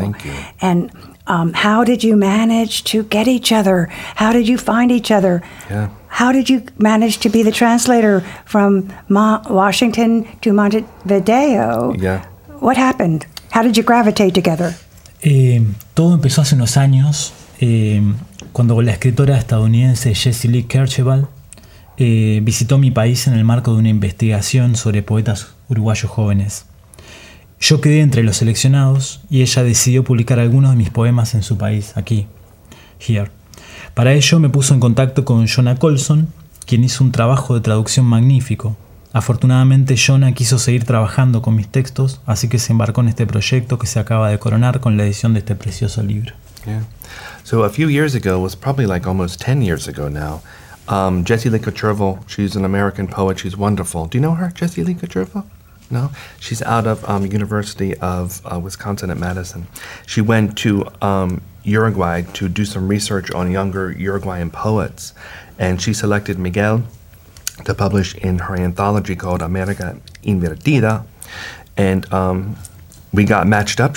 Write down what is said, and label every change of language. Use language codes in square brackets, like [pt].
[en] Thank you. And how did you manage to get each other? How did you find each other? Yeah. How did you manage to be the translator from Washington to Montevideo? Yeah. What happened? How did you gravitate together? [es] Todo empezó hace unos años. Cuando la escritora estadounidense Jessie Lee Kercheval visitó mi país en el marco de una investigación sobre poetas uruguayos jóvenes. Yo quedé entre los seleccionados y ella decidió publicar algunos de mis poemas en su país, aquí, here. Para ello me puso en contacto con Jonah Coles, quien hizo un trabajo de traducción magnífico. Afortunadamente Jonah quiso seguir trabajando con mis textos, así que se embarcó en este proyecto que se acaba de coronar con la edición de este precioso libro. [en] Yeah. So a few years ago, it was probably like almost 10 years ago now, Jessie Lee Kercheval, she's an American poet. She's wonderful. Do you know her, Jessie Lee Kercheval? No? She's out of University of Wisconsin at Madison. She went to Uruguay to do some research on younger Uruguayan poets, and she selected Miguel to publish in her anthology called America Invertida. And we got matched up.